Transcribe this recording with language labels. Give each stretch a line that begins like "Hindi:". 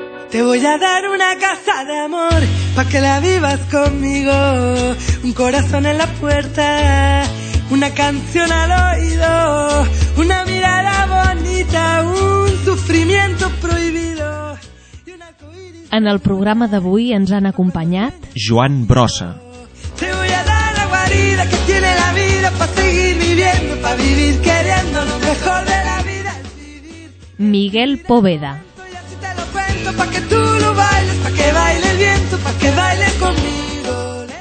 Spanish: Te voy a dar una casa de amor pa' que la vivas conmigo. Un corazón en la puerta, una canción al oído, una mirada bonita, un sufrimiento prohibido.
Catalan: En el programa d'avui ens han acompanyat Joan Brossa.
Spanish: Te voy a dar la guarida que tiene la vida pa' seguir viviendo, pa' vivir queriendo lo mejor de la vida. Miguel Poveda. Pa' que tú lo bailes, pa' que baile el viento, pa' que baile conmigo.